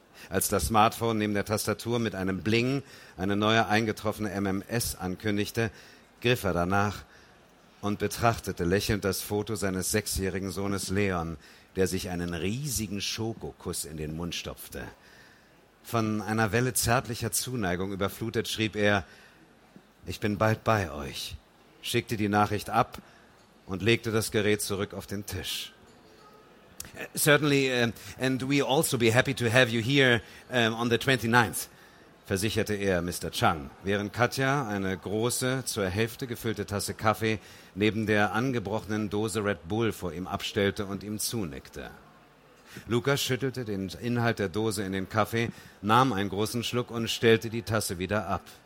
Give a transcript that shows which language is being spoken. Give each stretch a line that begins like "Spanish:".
German: Als das Smartphone neben der Tastatur mit einem Bling eine neue eingetroffene MMS ankündigte, griff er danach und betrachtete lächelnd das Foto seines 6-jährigen Sohnes Leon, der sich einen riesigen Schokokuss in den Mund stopfte. Von einer Welle zärtlicher Zuneigung überflutet, schrieb er: »Ich bin bald bei euch«, schickte die Nachricht ab und legte das Gerät zurück auf den Tisch.
English: Certainly, and we also be happy to have you here on the 29th,
German: versicherte er Mr. Chang, während Katja eine große, zur Hälfte gefüllte Tasse Kaffee neben der angebrochenen Dose Red Bull vor ihm abstellte und ihm zunickte. Lukas schüttelte den Inhalt der Dose in den Kaffee, nahm einen großen Schluck und stellte die Tasse wieder ab.